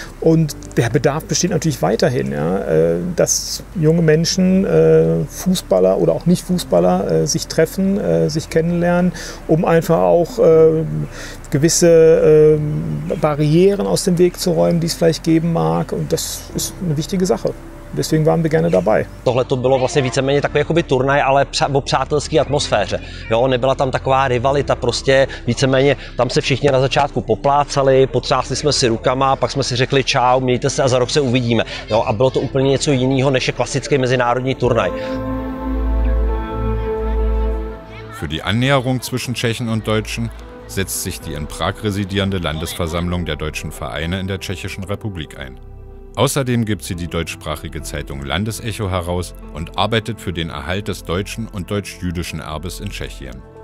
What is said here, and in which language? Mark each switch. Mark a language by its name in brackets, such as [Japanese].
[German] Und der Bedarf besteht natürlich weiterhin, ja, dass junge Menschen, Fußballer oder auch Nicht-Fußballer, sich treffen, sich kennenlernen, um einfach auch gewisse Barrieren aus dem Weg zu räumen, die es vielleicht geben mag. Und das ist eine wichtige Sache. Deswegen waren wir gerne dabei. [Czech] Tohle to bylo vlastně víceméně takový jakoby turnaj, ale o přátelské atmosféře. Jo, nebyla tam taková rivalita, prostě víceméně tam se všichni na začátku poplácali, potřásli jsme si rukama, pak jsme si řekli čau, mějte se a za rok se uvidíme. Jo, a bylo to úplně něco jiného, než je klasický mezinárodní turnaj. [German] Für die Annäherung zwischen Tschechen und Deutschen setzt sich die in Prag residierende Landesversammlung der deutschen Vereine in der Tschechischen Republik ein. Außerdem gibt sie die deutschsprachige Zeitung Landesecho heraus und arbeitet für den Erhalt des deutschen und deutsch-jüdischen Erbes in Tschechien.